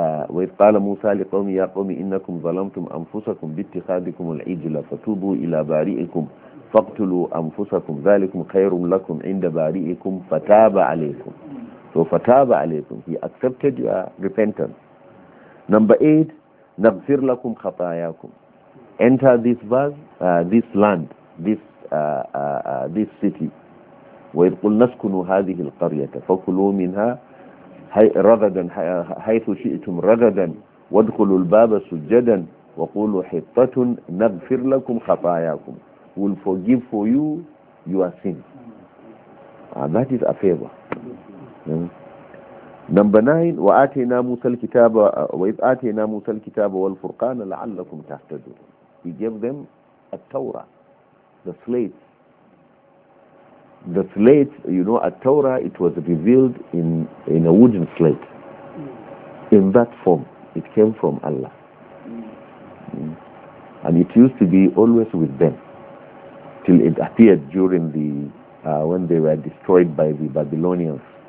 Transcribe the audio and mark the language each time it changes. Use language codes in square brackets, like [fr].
[ar] وإذ قال موسى لقومه يا قوم إنكم ظلمتم أنفسكم باتخاذكم العجل فتوبوا إلى بارئكم فاقتلوا أنفسكم ذلكم خير لكم عند بارئكم فتاب عليكم. [en] So [ar] فتاب عليكم, [en] he accepted your repentance. Number eight, [ar] نغفر لكم خطاياكم. [en] Enter this verse, this land, this this city. [ar] وإذ قلنا اسكنوا هذه القرية فكلوا منها رغدا حيث شئتم رغدا وادخلوا الباب سجدا وقولوا حطة نغفر لكم خطاياكم. [en] We'll forgive for you your sins. That is a favor. Number nine, [ar] وإذ آتينا موسى الكتاب والفرقان لعلكم تهتدون. [en] He gave them a Torah, the slate, you know, at Torah, it was revealed in a wooden slate. In that form, it came from Allah. And it used to be always with them, till it appeared during the, when they were destroyed by the Babylonians.